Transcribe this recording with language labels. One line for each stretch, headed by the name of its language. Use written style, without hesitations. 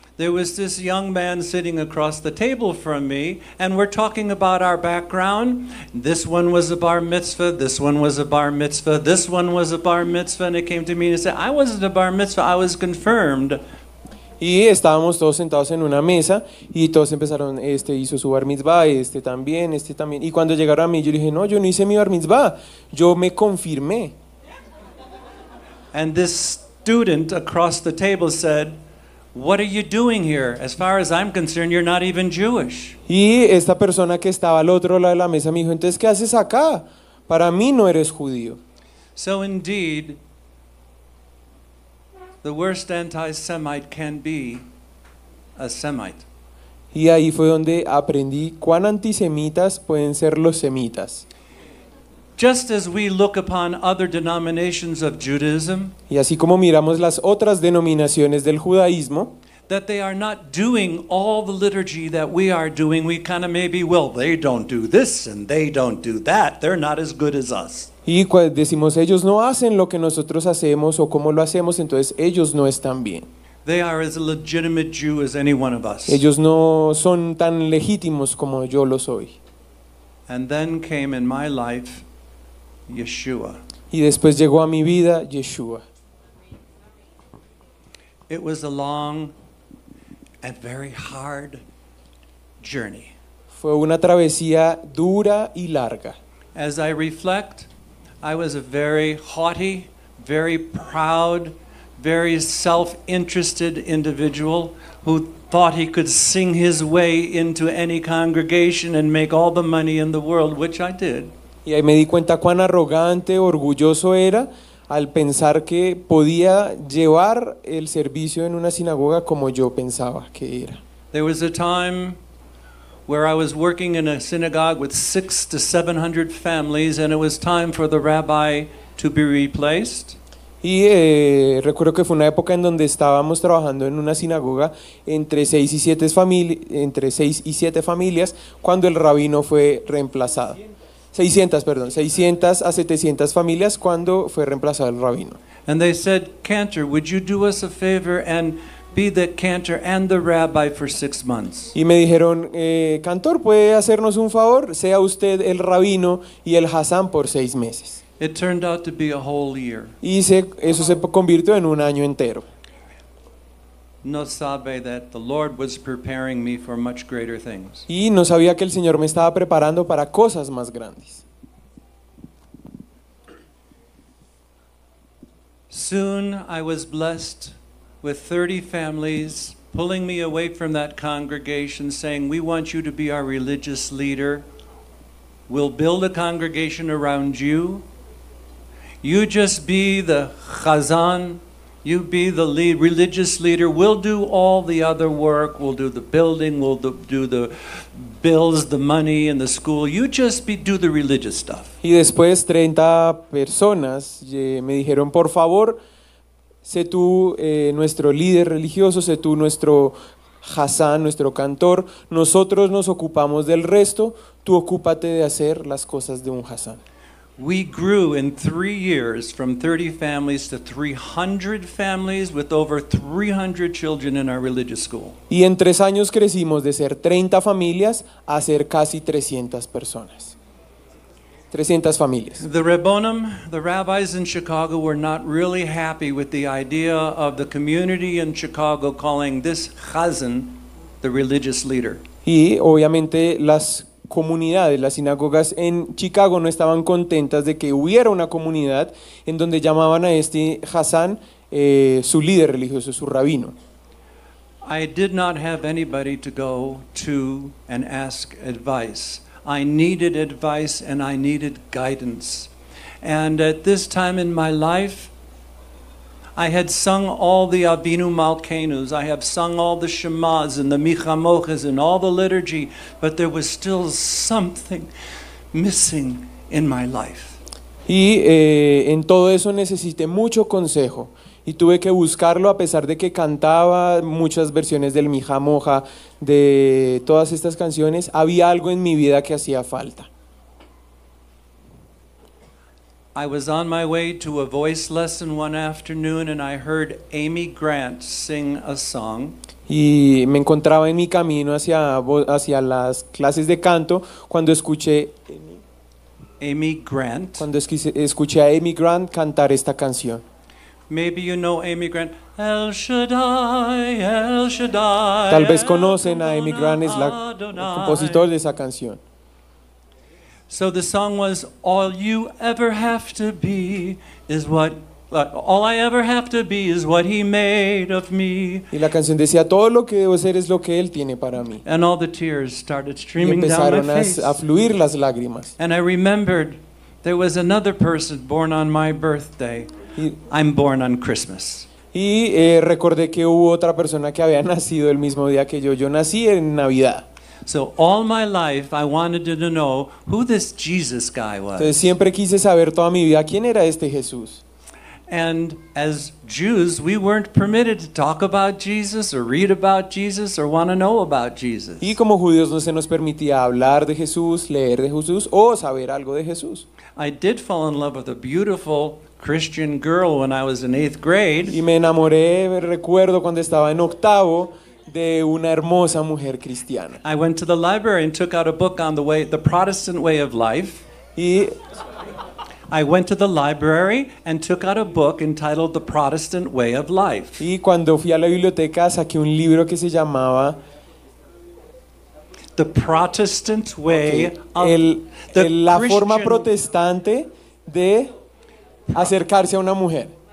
English: There was this young man sitting across the table from me, and we're talking about our background. This one was a bar mitzvah, this one was a bar mitzvah, this one was a bar mitzvah, and it came to me and said, I wasn't a bar mitzvah, I was confirmed.
Spanish: Y estábamos todos sentados en una mesa y todos empezaron, este hizo su bar mitzvah, este también. Y cuando llegaron a mí, yo dije, no, yo no hice mi bar mitzvah, yo me confirmé.
English: And this student across the table said, what are you doing here? As far as I'm concerned, you're not even Jewish.
Spanish: Y esta persona que estaba al otro lado de la mesa me dijo, entonces, ¿qué haces acá? Para mí no eres judío.
English: So indeed, the worst anti-Semite can be a Semite.
Spanish: Y ahí fue donde aprendí cuán antisemitas pueden ser los semitas.
English: Just as we look upon other denominations of Judaism,
Spanish: y así como miramos las otras denominaciones del judaísmo,
English: that they are not doing all the liturgy that we are doing, we kind of maybe, well, they don't do this and they don't do that, they're not as good as us.
Spanish: Y decimos, ellos no hacen lo que nosotros hacemos o cómo lo hacemos, entonces ellos no están bien.
English: They are as legitimate Jew as any one of us.
Spanish: Ellos no son tan legítimos como yo lo soy.
English: And then came in my life, Yeshua.
Spanish: Y después llegó a mi vida Yeshua.
English: It was a long and very hard journey.
Spanish: Fue una travesía dura y larga.
English: As I reflect, I was a very haughty, very proud, very self-interested individual who thought he could sing his way into any congregation and make all the money in the world, which I did.
Spanish: Y ahí me di cuenta cuán arrogante, orgulloso era al pensar que podía llevar el servicio en una sinagoga como yo pensaba que era.
English: There was a time where I was working in a synagogue with 600 to 700 families, and it was time for the rabbi to be replaced.
Spanish: Y recuerdo que fue una época en donde estábamos trabajando en una sinagoga entre 6 y 7 familias cuando el rabino fue reemplazado. 600 a 700 familias cuando fue reemplazado el rabino.
English: And they said, Cantor, would you do us a favor and be the cantor and the rabbi for 6 months?
Spanish: Y me dijeron, Cantor, ¿puede hacernos un favor? Sea usted el rabino y el hasán por 6 meses.
English: It turned out to be a whole year.
Spanish: Y eso se convirtió en un año entero. No sabe
English: that the Lord was preparing me for much greater things.
Spanish: Y no sabía que el Señor me estaba preparando para cosas más grandes.
English: Soon I was blessed with 30 families pulling me away from that congregation saying, we want you to be our religious leader. We'll build a congregation around you. You just be the chazan. You be the lead, religious leader. We'll do all the other work. We'll do the building. We'll do the bills, the money, and the school. You just do the religious stuff.
Spanish: Y después 30 personas me dijeron, por favor, sé tú nuestro líder religioso, sé tú nuestro hasán, nuestro cantor. Nosotros nos ocupamos del resto. Tú ocúpate de hacer las cosas de un hasán.
English: We grew in 3 years from 30 families to 300 families with over 300 children in our religious school.
Spanish: Y en 3 años crecimos de ser 30 familias a ser casi 300 personas. 300 familias.
English: The Rabbonim, the rabbis in Chicago were not really happy with the idea of the community in Chicago calling this chazan the religious leader.
Spanish: Y obviamente las comunidades, las sinagogas en Chicago no estaban contentas de que hubiera una comunidad en donde llamaban a este hasán su líder religioso, su rabino.
English: I did not have anybody to go to and ask advice. I needed advice and I needed guidance. And at this time in my life, I had sung all the Avinu Malkeinus, I have sung all the Shemas and the Micha Moches and all the liturgy, but there was still something missing in my life.
Spanish: Y en todo eso necesité mucho consejo y tuve que buscarlo a pesar de que cantaba muchas versiones del Micha Moja, de todas estas canciones, había algo en mi vida que hacía falta.
English: I was on my way to a voice lesson one afternoon and I heard Amy Grant sing a song.
Spanish: Y me encontraba en mi camino hacia las clases de canto cuando escuché Amy Grant. Cuando escuché a Amy Grant cantar esta canción.
English: Maybe you know Amy Grant. El Shaddai, El Shaddai.
Spanish: Tal vez conocen a Amy Grant, es el compositor de esa canción.
English: So the song was, all you ever have to be is what, all I ever have to be is what he made of me.
Spanish: Y la canción decía, todo lo que debo ser es lo que él tiene para mí.
English: And all the tears started streaming down my face.
Spanish: Y empezaron a fluir las lágrimas.
English: And I remembered there was another person born on my birthday. I'm born on Christmas.
Spanish: Y recordé que hubo otra persona que había nacido el mismo día que yo. Yo nací en Navidad.
English: So all my life I wanted to know who this Jesus guy was.
Spanish: Entonces siempre quise saber toda mi vida quién era este Jesús.
English: And as Jews, we weren't permitted to talk about Jesus or read about Jesus or want to know about Jesus.
Spanish: Y como judíos no se nos permitía hablar de Jesús, leer de Jesús o saber algo de Jesús.
English: I did fall in love with a beautiful Christian girl when I was in eighth grade.
Spanish: Y me enamoré, recuerdo cuando estaba en octavo, de una hermosa mujer cristiana.
English: I went to the library and took out a book on the Protestant way of life. I went to the library and took out a book entitled The Protestant Way of Life.
Spanish: Y cuando fui a la biblioteca saqué un libro que se llamaba
English: The Protestant Way
Spanish: la forma protestante de acercarse a una mujer.